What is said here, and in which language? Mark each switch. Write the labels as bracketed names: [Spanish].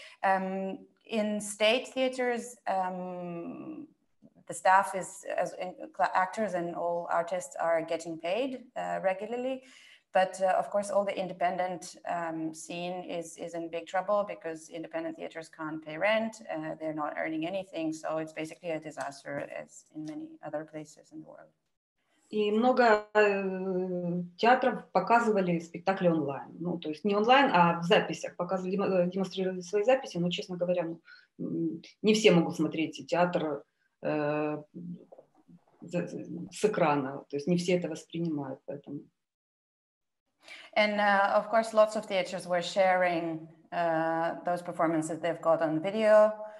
[English] In state theaters, the staff is, as actors and all artists are getting paid regularly, But of course, all the independent scene is in big trouble because independent theaters can't pay rent. They're not earning anything. So it's basically a disaster as in many other places in the world. [Russian] И много театров показывали спектакли онлайн. Ну, то есть не онлайн, а в записях. Показывали, демонстрировали свои записи, но, честно говоря, ну, не все могут смотреть театр с экрана. То есть не все это воспринимают. Поэтому. [English] And, of course, lots of theaters were sharing those performances they've got on video.